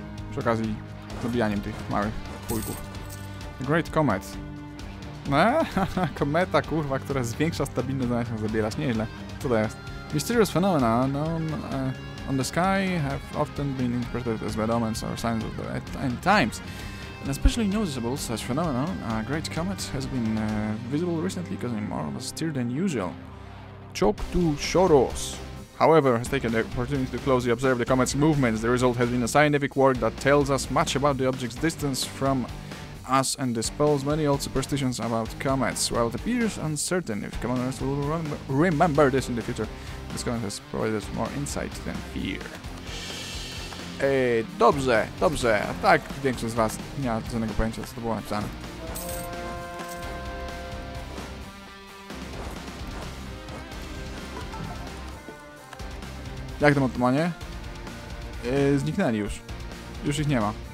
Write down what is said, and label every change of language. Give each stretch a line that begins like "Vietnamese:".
Polish: Przy okazji zabijaniem tych małych chujków. Great Comet. No, kometa, kurwa, która zwiększa stabilne zamiast zabierać. Nieźle. Co to jest?
English: Mysterious phenomena known on the sky have often been interpreted as bad omens or signs of the end times. An especially noticeable such phenomenon, a great comet, has been visible recently, causing more of a stir than usual. Choktu Choros, however, has taken the opportunity to closely observe the comet's movements. The result has been a scientific work that tells us much about the object's distance from us and dispels many old superstitions about comets. While it appears uncertain if commoners will remember this in the future, this comet has provided us more insight than fear.
Polish: Dobrze, dobrze. A tak większość z was nie miała żadnego pojęcia, co to było napisane. Jak tam otomanie? Zniknęli już. Już ich nie ma.